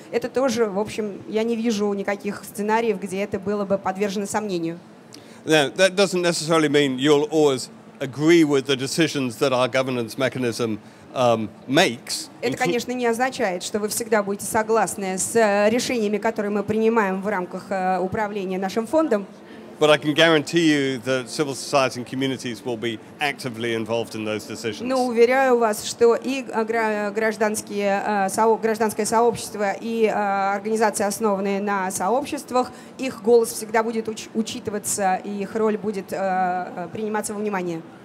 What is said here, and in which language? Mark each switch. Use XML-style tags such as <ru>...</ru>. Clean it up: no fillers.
<ru>Это тоже, в общем, я не вижу никаких сценариев, где это было бы подвержено сомнению.</ru> <en>Now, that doesn't necessarily mean you'll always agree with the decisions that our governance mechanism makes.</en> <ru>Это, конечно, не означает, что вы всегда будете согласны с решениями, которые мы принимаем в рамках управления нашим фондом.</ru> <en>But I can guarantee you that civil society and communities will be actively involved in those decisions.</en> <ru>Но уверяю вас, что и гражданское сообщество, и организации, основанные на сообществах, их голос всегда будет учитываться, и их роль будет приниматься во внимание.</ru>